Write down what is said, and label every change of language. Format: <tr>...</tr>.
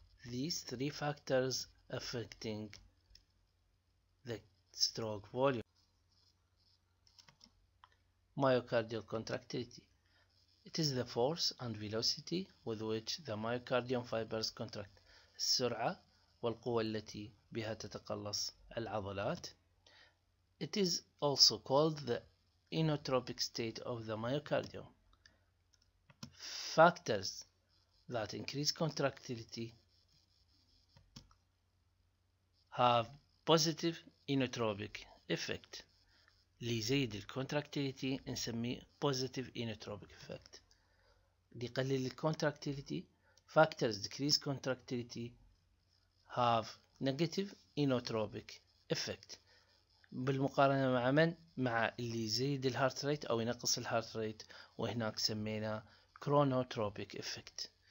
<en>These three factors affecting the stroke volume. Myocardial contractility. It is the force and velocity with which the myocardium fibers contract.</en> <ar>السرعة والقوة التي بها تتقلص العضلات.</ar> <en>It is also called the inotropic state of the myocardium. Factors that increase contractility have positive inotropic effect.</en> <ar>ليزيد الكونتراكتيليتي نسميه</ar> <en>positive inotropic effect.</en> <ar>ليقلل الكونتراكتيليتي</ar> <en>factors decrease contractility have negative inotropic effect.</en> <ar>بالمقارنة مع من؟ مع اللي يزيد الهارت ريت أو ينقص الهارت ريت وهناك سمينا chronotropic effect.</ar>